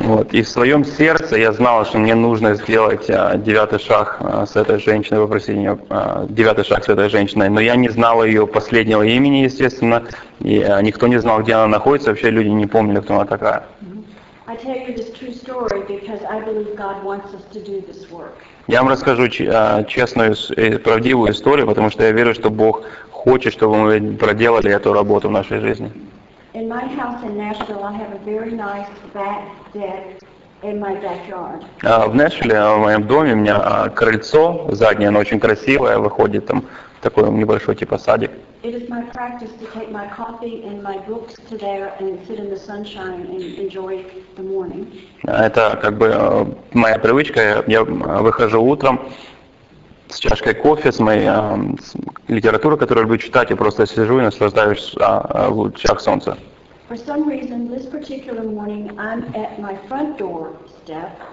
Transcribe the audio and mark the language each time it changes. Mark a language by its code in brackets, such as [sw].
[ru] И в своем сердце я знала, что мне нужно сделать девятый шаг с этой женщиной, попросить ее девятый шаг с этой женщиной, но я не знала ее последнего имени, естественно, и никто не знал, где она находится, вообще люди не помнили, кто она такая. [en] I tell you this true story because I believe God wants us to do this work. [ru] Я вам расскажу честную и правдивую историю, потому что я верю, что Бог хочет, чтобы мы проделали эту работу в нашей жизни. [en] In my house in Nashville, I have a very nice back deck in my backyard. [ru] В Нэшвилле, в моем доме, у меня крыльцо заднее, оно очень красивое, выходит там такой небольшой типа садик. [en] It is my practice to take my coffee and my books to there and sit in the sunshine and enjoy the morning. [ru] Это как бы моя привычка. Я выхожу утром с чашкой кофе, с моей литературой, которую люблю читать, и просто сижу и наслаждаюсь лучами солнца. [en] For some reason, this particular morning, I'm at my front door step.